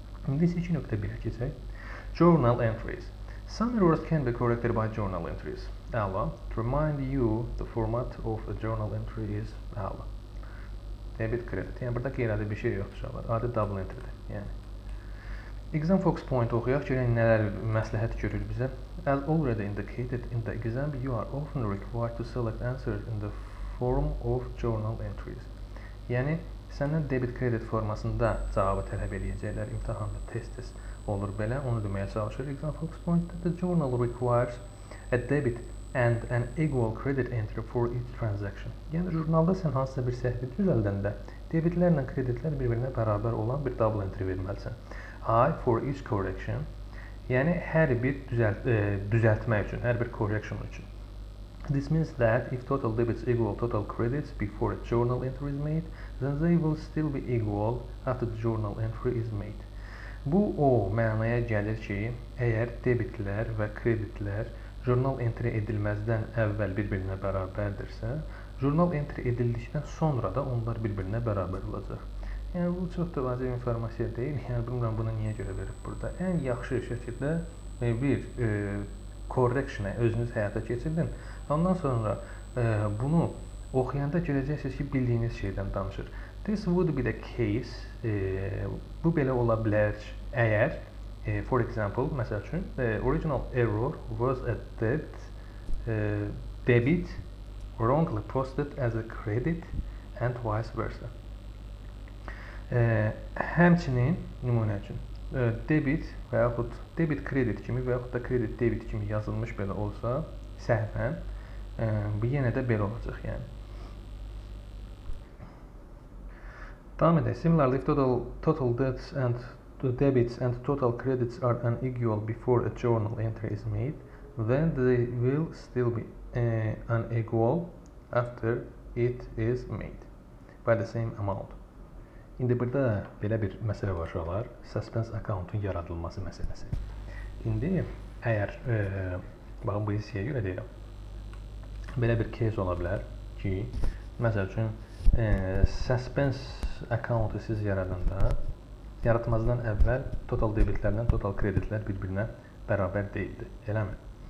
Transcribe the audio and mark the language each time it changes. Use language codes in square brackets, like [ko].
[az] İndi isə 2.1-ə keçək. [en] Journal entries. Some errors can be corrected by journal entries. Əla. To remind you, the format of a journal entry is əla. Debit credit. [az] Yəni, burada qeyri-adi bir şey yoxdur, uşaqlar. Adi double entry-dir. Yəni. Exam focus point oxuyaq, görək nələr məsləhət görür bizə. [en] As already indicated in the exam, you are often required to select answers in the form of journal entries. [az] Yəni, səndən debit credit formasında cavabı tələb edəcəklər, imtihanda test olur belə, onu deməyə çalışır. [en] Exam focus point, the journal requires a debit and an equal credit entry for each transaction. [az] Yəni, jurnalda sən hansısa bir səhvi düzəldəndə debitlərlə kreditlər bir-birinə bərabər olan bir double entry verməlisən. [en] I for each correction, [az] yəni hər bir düzəltmək üçün, hər bir correction üçün. [en] This means that if total debits equal total credits before a journal entry is made, then they will still be equal after the journal entry is made. [az] Bu o mənaya gəlir ki, əgər debitlər və kreditlər journal entry edilməzdən əvvəl bir-birinə bərabərdirsə, journal entry edildikdən sonra da onlar bir-birinə bərabər olacaq. Yəni, bu çox da vacib informasiya deyil. Yəni, bilmirəm, bunu niyə görə verib burada. Ən yaxşı şəkildə bir correction-ə özünüz həyata keçirdin. Ondan sonra bunu oxuyanda görəcəksiniz ki, bildiyiniz şeydən danışır. [en] This would be the case, [az] bu belə ola bilər əgər, [en] for example, [az] məsəl üçün, [en] the original error was a debit wrongly posted as a credit and vice versa. [az] Həmçinin nümunə üçün debit və yaxud debit kredit kimi və yaxud da kredit debit kimi yazılmış belə olsa səhvən bu yenə də belə olacaq yəni. Tam edək. [en] Similarly, if total debts and debits and total credits are unequal before a journal entry is made, then they will still be unequal after it is made by the same amount. [az] İndi burada belə bir məsələ var uşaqlar, suspense account-un yaradılması məsələsi. İndi əgər, baxın bu hissiyə görə deyirəm, belə bir case ola bilər ki, məsəl üçün, suspense account-u siz yaradanda, yaratmazdan əvvəl total debitlərlə total kreditlər bir-birinə bərabər deyildi, eləmi?